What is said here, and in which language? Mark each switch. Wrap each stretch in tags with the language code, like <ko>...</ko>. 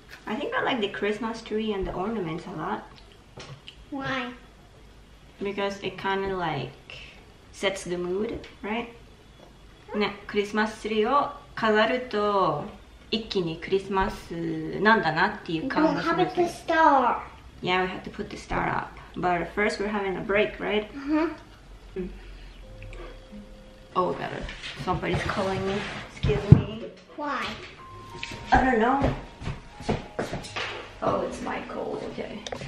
<en>I think I like the Christmas tree and the ornaments a lot. Why? Because it kind of like sets the mood, right? Huh?</en> <ja>ね、クリスマスツリーを飾ると一気にクリスマスなんだなっていう感じがします。</ja> <en>We have the star. Yeah, we have to put the star up. But first we're having a break, right? Uh-huh. Mm. Oh, better. Somebody's calling me. Excuse me. Why? I don't know. Oh, it's Michael. Okay.</en>